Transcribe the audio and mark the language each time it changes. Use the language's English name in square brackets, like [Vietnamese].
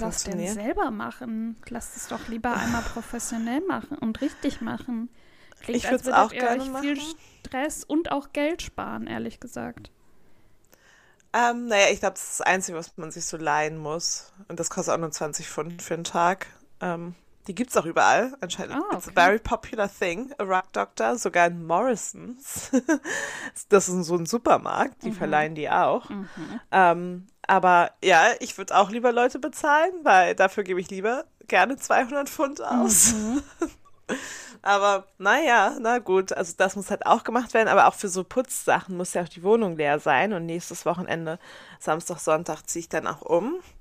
[German] Warum wollt ihr das denn selber machen? Lasst es doch lieber einmal professionell machen und richtig machen. Klingt, ich würde es auch gerne machen. Viel Stress und auch Geld sparen, ehrlich gesagt. Naja, ich glaube, das ist das Einzige, was man sich so leihen muss. Und das kostet auch nur 20 Pfund für einen Tag. Die gibt's auch überall, anscheinend. Oh, okay. [English] It's a very popular thing, a Rug Doctor, [German] sogar in Morrisons. Das ist so ein Supermarkt, die verleihen die auch. Aber ja, ich würde auch lieber Leute bezahlen, weil dafür gebe ich lieber gerne 200 Pfund aus. Aber naja, na gut, also das muss halt auch gemacht werden, aber auch für so Putzsachen muss ja auch die Wohnung leer sein und nächstes Wochenende, Samstag, Sonntag, ziehe ich dann auch um.